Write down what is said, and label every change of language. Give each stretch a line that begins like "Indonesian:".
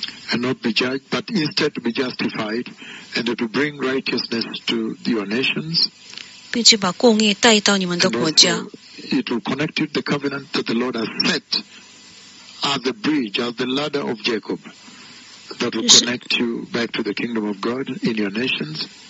English: And not be judged, but instead to be justified, and to bring righteousness to your nations.
Chinese: 并且把公义带到你们的国家.
English: It will connect you to the covenant that the Lord has set as the bridge, as the ladder of Jacob, that will connect you back to the kingdom of God in your nations.